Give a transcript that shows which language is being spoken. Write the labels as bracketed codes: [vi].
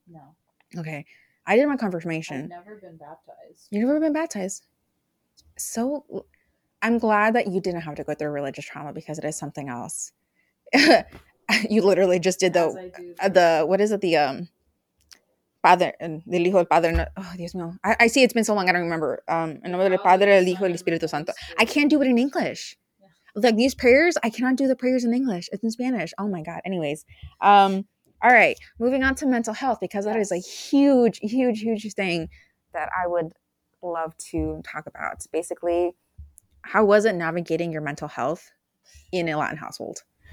[en] No. Okay. I did my confirmation. I've never been baptized. You've never been baptized. So I'm glad that you didn't have to go through religious trauma, because it is something else. You literally just did the, what is it? The, [es] Padre, el Hijo, el Padre, oh, Dios mío. [en] I see it's been so long, I don't remember. [es] El nombre del Padre, el Hijo, el Espíritu Santo. [en] I can't do it in English. Like, these prayers, I cannot do the prayers in English. It's in Spanish. Oh, my God. Anyways. All right. Moving on to mental health, because that is a huge, huge, huge thing that I would love to talk about. Basically, how was it navigating your mental health in a Latin household?